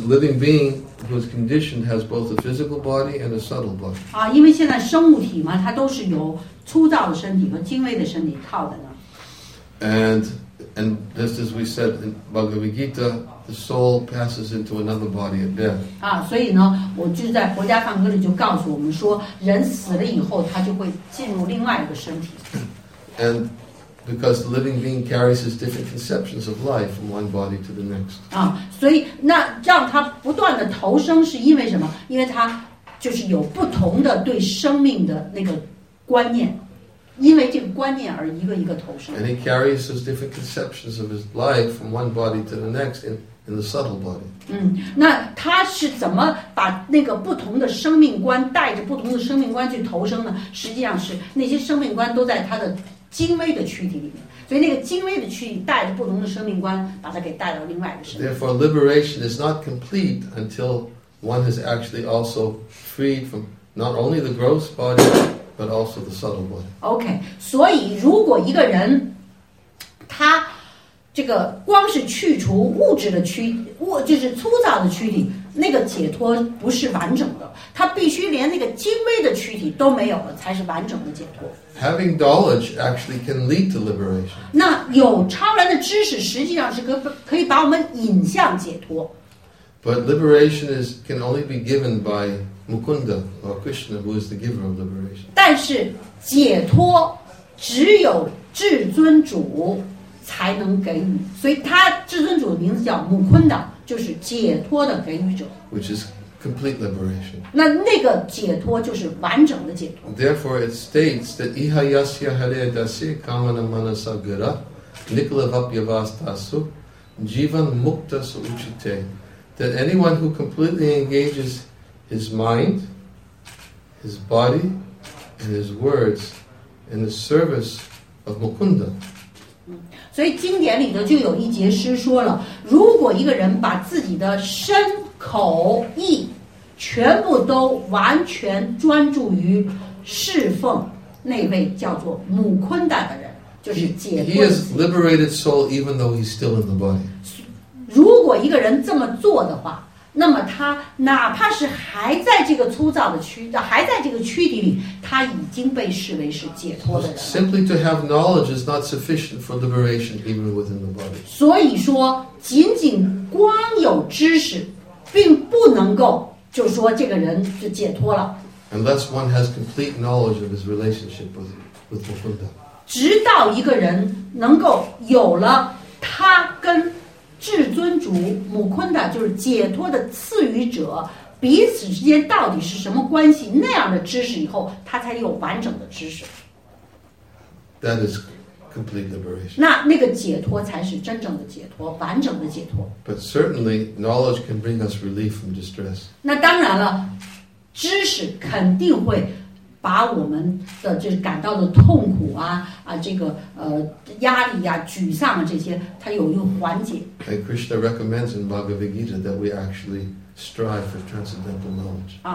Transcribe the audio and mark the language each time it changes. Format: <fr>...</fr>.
<en>the living being who is conditioned has both a physical body and a subtle body.</en> <zh>啊，因为现在生物体嘛，它都是由粗糙的身体和精微的身体套的呢。</zh> <en>And And just as we said in Bhagavad Gita, the soul passes into another body at death.</en> <zh>啊，所以呢，我就在《佛家梵歌》里就告诉我们说，人死了以后，他就会进入另外一个身体。</zh> <en>And because the living being carries his different conceptions of life from one body to the next.</en> <zh>啊，所以那让他不断的投生是因为什么？因为他就是有不同的对生命的那个观念。因为这个观念而一个一个投生。</zh> <en>And he carries his different conceptions of his life from one body to the next in the subtle body.</en> <zh>嗯，那他是怎么把那个不同的生命观带着不同的生命观去投生呢？实际上是那些生命观都在他的精微的躯体里面，所以那个精微的躯体带着不同的生命观把他给带到另外一个身体。</zh> <en>Therefore, liberation is not complete until one has actually also freed from not only the gross body. But also the subtle body.</en> <zh>Okay, 所以如果一个人，他这个光是去除物质的躯物，就是粗糙的躯体，那个解脱不是完整的。他必须连那个精微的躯体都没有了，才是完整的解脱。</zh> <en>Having knowledge actually can lead to liberation.</en> <zh>那有超然的知识，实际上是可以把我们引向解脱。</zh> <en>But liberation can only be given by. Mukunda or Krishna, who is the giver of liberation.</en> <zh>但是解脱只有至尊主才能给予，所以他至尊主的名字叫 Mukunda， 就是解脱的给予者。</zh> <en>Which is complete liberation.</en> <zh>那那个解脱就是完整的解脱。</zh> <en>Therefore, it states that</en> <sa>ihayasya hare dasi kamana manasa gira nikala vapyavastasu jivan mukta suchite</sa> <en>that anyone who completely engages His mind, his body, and his words in the service of Mukunda.</en> <zh>所以经典里头就有一节诗说了，如果一个人把自己的身口意全部都完全专注于侍奉那位叫做穆昆达的人，就是解脱。</zh> <en>He has liberated soul even though he's still in the body.</en> <zh>如果一个人这么做的话。那么他哪怕是还在这个粗糙的躯，还在这个躯体里，他已经被视为是解脱的人。</zh> <en>Simply to have knowledge is not sufficient for liberation, even within the body.</en> <zh>所以说，仅仅光有知识，并不能够就说这个人就解脱了。</zh> <en>Unless one has complete knowledge of his relationship with Mukunda.</en> <zh>直到一个人能够有了他跟。至尊主穆昆达就是解脱的赐予者，彼此之间到底是什么关系？那样的知识以后，他才有完整的知识。</zh> <en>That is complete liberation.</en> <zh>那个解脱才是真正的解脱，完整的解脱。</zh> <en>But certainly, knowledge can bring us relief from distress.</en> <zh>那当然了，知识肯定会把我们的就是感到的痛苦啊啊这个压力啊沮丧啊这些，它有一个缓解。</zh> <en>And Krishna recommends in Bhagavad Gita that we actually strive for transcendental knowledge.</en>